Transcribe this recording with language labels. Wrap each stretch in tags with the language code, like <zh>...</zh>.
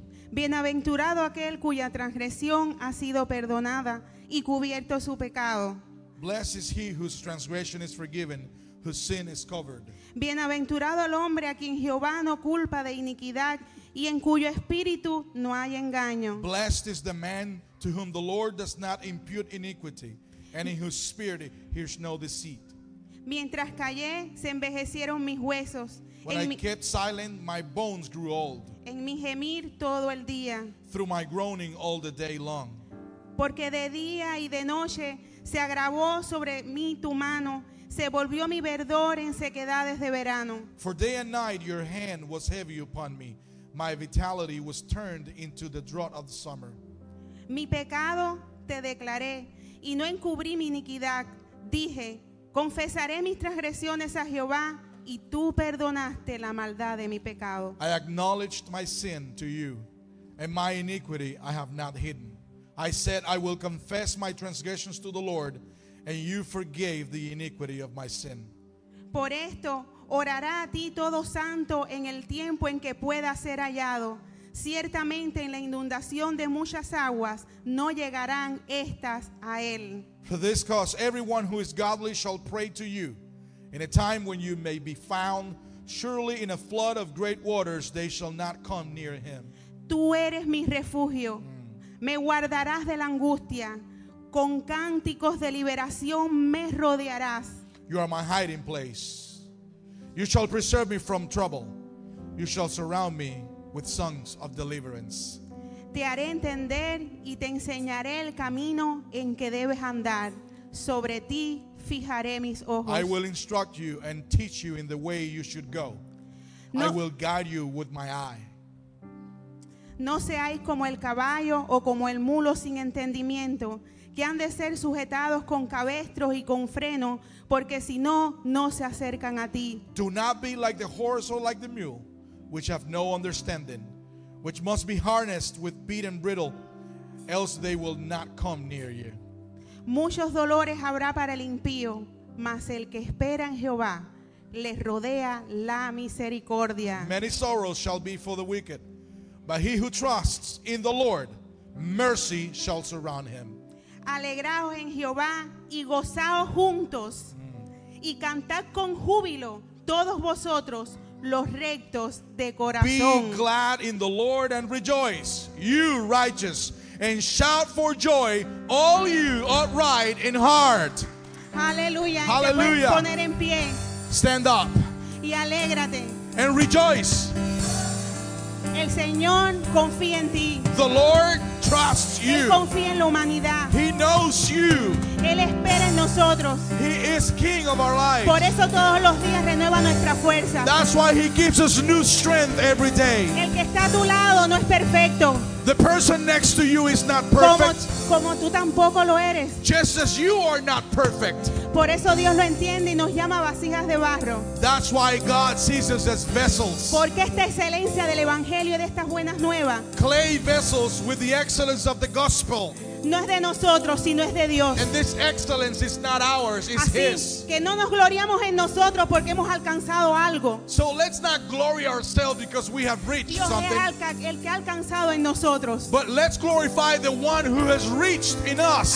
<es>Bienaventurado aquel cuya transgresión ha sido perdonada y cubierto su pecado.</es> <en>Blessed is he whose transgression is forgiven, whose sin is covered.</en> <es>Bienaventurado el hombre a quien Jehová no culpa de iniquidad y en cuyo espíritu no hay engaño.</es> <en>Blessed is the man to whom the Lord does not impute iniquity, and in whose spirit hears no deceit.</en> <es>Mientras callé, se envejecieron mis huesos.</es> <en>When I kept silent, my bones grew old.</en> <es>En mi gemir todo el día.</es> <en>Through my groaning all the day long.</en> <es>Porque de día y de noche se agravó sobre mí tu mano. Se volvió mi verdor en sequedades de verano.</es> <en>For day and night your hand was heavy upon me. My vitality was turned into the drought of the summer.</en> <es>Mi pecado te declaré, y no encubrí mi iniquidad. Dije, confesaré mis transgresiones a Jehová, y tú perdonaste la maldad de mi pecado.</es> <en>I acknowledged my sin to you, and my iniquity I have not hidden. I said, I will confess my transgressions to the Lord, and you forgave the iniquity of my sin.</en> <es>Por esto orará a ti todo santo en el tiempo en que pueda ser hallado. Ciertamente en la inundación de muchas aguas no llegarán estas a él.</es> <en>For this cause everyone who is godly shall pray to you in a time when you may be found. Surely in a flood of great waters they shall not come near him.</en> <es>Tú eres mi refugio. Me guardarás de la angustia. Con cánticos de liberación me rodearás.</es> <en>You are my hiding place. You shall preserve me from trouble. You shall surround me with songs of deliverance.</en> <es>Te haré entender y te enseñaré el camino en que debes andar. Sobre ti fijaré mis ojos.</es> <en>I will instruct you and teach you in the way you should go. No, I will guide you with my eye.</en> <es>No seáis como el caballo o como el mulo sin entendimiento, que han de ser sujetados con cabestros y con freno, porque si no, no se acercan a ti.</es> <en>Do not be like the horse or like the mule, which have no understanding, which must be harnessed with bit and bridle, else they will not come near you.</en> <es>Muchos dolores habrá para el impío, mas el que espera en Jehová le rodea la misericordia.</es> <en>Many sorrows shall be for the wicked, but he who trusts in the Lord, mercy shall surround him.</en> <es>Alegraos en Jehová y gozaos juntos, y cantad con júbilo todos vosotros los rectos de corazón.</es> <en>Be glad in the Lord and rejoice, you righteous, and shout for joy, all you upright in heart. Hallelujah. Hallelujah.</en> <es>Poner en pie.</es> <en>Stand up.</en> <es>Y alégrate.</es> <en>And rejoice.</en> <es>El Señor confía en ti.</es> <en>The Lord trusts you.</en> <es>Él confía en la humanidad.</es> <en>He knows you.</en> <es>Él espera en nosotros.</es> <en>He is king of our lives.</en> <es>Por eso todos los días renueva nuestra fuerza.</es> <en>That's why he gives us new strength every day.</en> <es>El que está a tu lado no es perfecto.</es> <en>The person next to you is not perfect.</en> <es>Como tú tampoco lo eres.</es> <en>Just as you are not perfect.</en> <es>Por eso Dios lo entiende y nos llama vasijas de barro.</es> <en>That's why God sees us as vessels.</en> <es>Porque esta excelencia del evangelio y de estas buenas nuevas.</es> <en>Clay vessels with the excellence of the gospel.</en> <es>No es de nosotros, sino es de Dios.</es> <en>And this excellence is not ours, it's His.</en> <es>Que no nos gloriamos en nosotros porque hemos alcanzado algo.</es> <en>So let's not glory ourselves because we have reached something.</en> <es>Dios es el que ha alcanzado en nosotros.</es> <en>But let's glorify the one who has reached in us.</en>